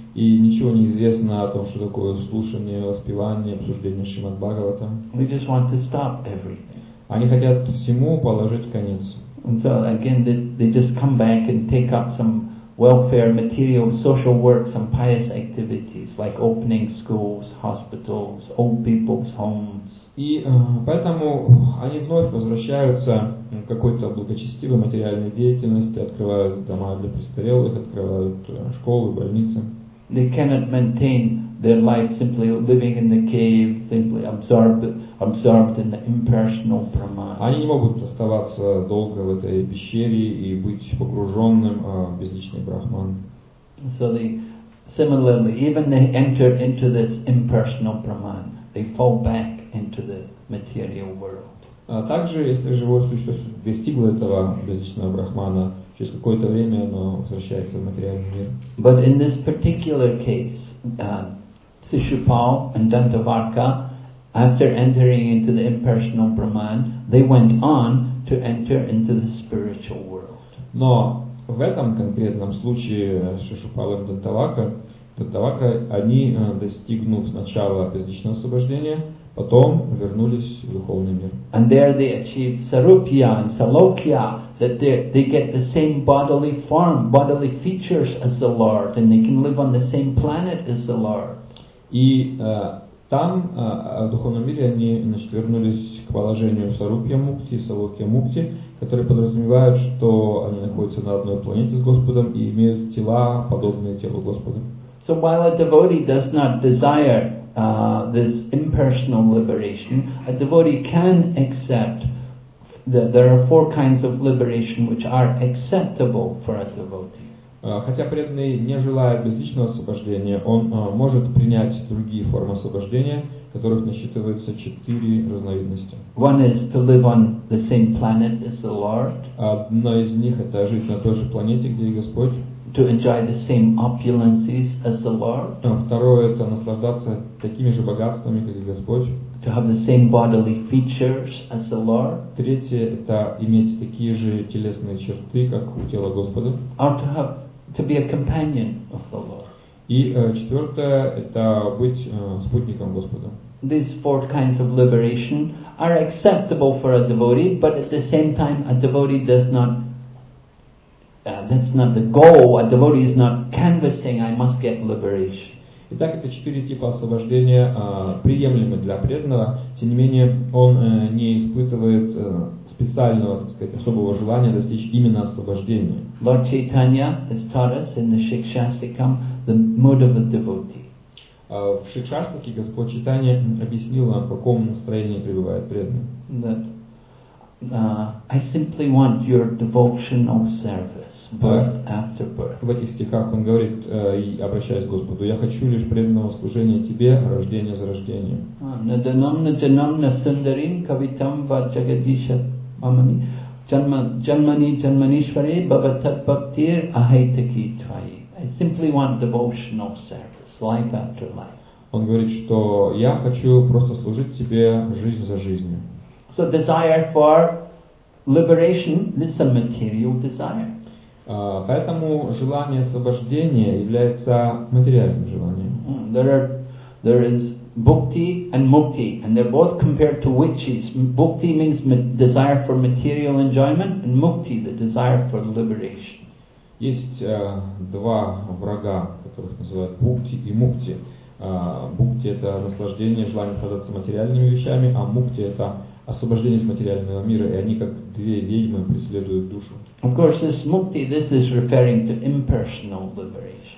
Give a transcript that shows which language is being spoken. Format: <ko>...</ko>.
<ru>И ничего не известно о том, что такое слушание, воспевание, обсуждение Шримад Бхагаватам.</ru> <en>They just want to stop everything.</en> <ru>Они хотят всему положить конец.</ru> <en>And so again, they just come back and take up some welfare, material, social works and pious activities, like opening schools, hospitals, old people's homes.</en> <ru>И поэтому они вновь возвращаются к какой-то благочестивой материальной деятельности, открывают дома для престарелых, открывают школы, больницы.</ru> <en>They cannot maintain their life simply living in the cave, simply absorbed in the impersonal pramana.</en> <ru>Они не могут оставаться долго в этой пещере и быть погруженным в безличный брахман.</ru> <en>So they, similarly, even they enter into this impersonal pramana, they fall back into the material world.</en> <ru>Также, если живое существо достигло этого безличного брахмана, через какое-то время оно возвращается в материальный мир.</ru> <en>But in this particular case, Sishupal and Dantavarka, after entering into the impersonal Brahman, they went on to enter into the spiritual world.</en> <ru>Но в этом конкретном случае Сишупала и Дантавака, они, достигнув сначала безличного освобождения, потом вернулись в духовный мир.</ru> <en>And there they achieved Sarupya and Salokya, that they get the same bodily form, bodily features as the Lord, and they can live on the same planet as the Lord.</en> <ru>И там, в духовном мире, они, значит, вернулись к положению Сарупья Мукти, Салокья Мукти, которые подразумевают, что они находятся на одной планете с Господом и имеют тела, подобные телу Господа.</ru> <en>So while a devotee does not desire this impersonal liberation, a devotee can accept that there are four kinds of liberation which are acceptable for a devotee.</en> <ru>Хотя преданный не желает безличного освобождения, он может принять другие формы освобождения, которых насчитывается четыре разновидности.</ru> <en>One is to live on the same planet as the Lord.</en> <ru>Одна из них — это жить на той же планете, где и Господь.</ru> <en>To enjoy the same opulences as the Lord.</en> <ru>Второе — это наслаждаться такими же богатствами, как и Господь.</ru> <en>To have the same bodily features as the Lord.</en> <ru>Третье — это иметь такие же телесные черты, как у тела Господа.</ru> <en>Or to be a companion of the Lord.</en> <ru>И четвертое — это быть спутником Господа.</ru> <en>These four kinds of liberation are acceptable for a devotee, but at the same time, a devotee does not, that's not the goal, a devotee is not canvassing, I must get liberation.</en> <ru>Итак, это четыре типа освобождения, приемлемы для преданного, тем не менее, он не испытывает специального, так сказать, особого желания достичь именно освобождения.</ru> <en>Lord Chaitanya has taught us in the Shikshastikam the mood of a devotee.</en> <ru>В Шикшастике Господь Чайтанья объяснил нам, в каком настроении пребывает преданный.</ru> <en>That I simply want your devotional service, birth after birth.</en> <ru>В этих стихах он говорит, обращаясь к Господу, я хочу лишь преданного служения тебе, рождение за рождением.</ru> <sa>Наданамна джанамна сундарим кавитам ва джагадиша амани джанмани джанманишваре бабатат бхактир ахайтаки твайи.</sa> <en>I simply want devotional service, life after life.</en> <ru>Он говорит, что я хочу просто служить тебе жизнь за жизнью.</ru> <en>So desire for liberation, this is a material desire.</en> <ru>Поэтому желание освобождения является материальным желанием.</ru> <en>There is bhukti and mukti, and they're both compared to witches. Bhukti means desire for material enjoyment, and mukti, the desire for liberation.</en> <ru>Есть два врага, которых называют бхукти и мукти. Бхукти — это наслаждение, желание наслаждаться материальными вещами, а мукти — это освобождение из материального мира, и они как две ведьмы преследуют душу.</ru> <en>Of course, this mukti, this is referring to impersonal liberation.</en>